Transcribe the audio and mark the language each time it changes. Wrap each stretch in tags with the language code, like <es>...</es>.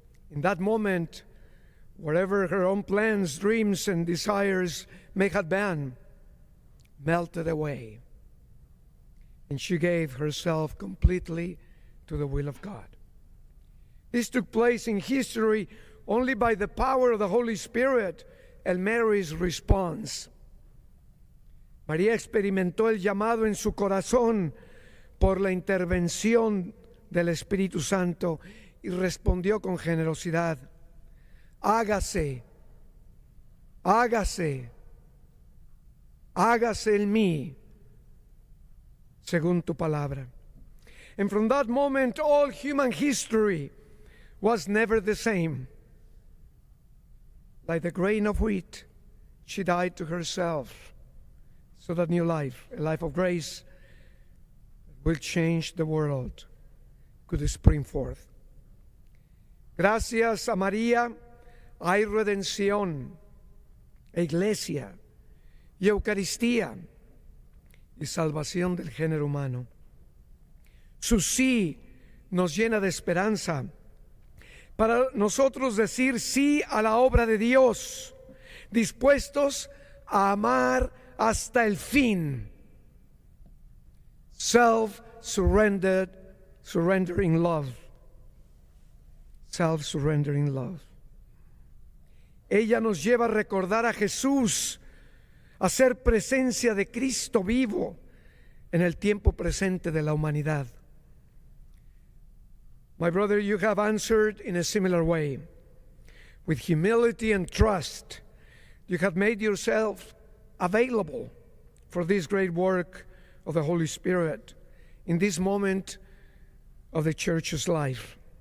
<en>In that moment, whatever her own plans, dreams, and desires may have been, melted away. And she gave herself completely to the will of God. This took place in history only by the power of the Holy Spirit and Mary's response.</en> <es>María experimentó el llamado en su corazón por la intervención del Espíritu Santo y respondió con generosidad. Hágase, hágase, hágase en mí, según tu palabra.</es> <en>And from that moment, all human history was never the same. Like the grain of wheat, she died to herself, so that new life, a life of grace, will change the world, could spring forth.</en> <es>Gracias a María, hay redención, iglesia, y Eucaristía, y salvación del género humano. Su sí nos llena de esperanza para nosotros decir sí a la obra de Dios, dispuestos a amar hasta el fin.</es> <en>Self-surrendered, surrendering love. Self-surrendering love.</en> <es>Ella nos lleva a recordar a Jesús, a ser presencia de Cristo vivo en el tiempo presente de la humanidad.</es> <en>My brother, you have answered in a similar way. With humility and trust, you have made yourself available for this great work of the Holy Spirit in this moment of the Church's life.</en>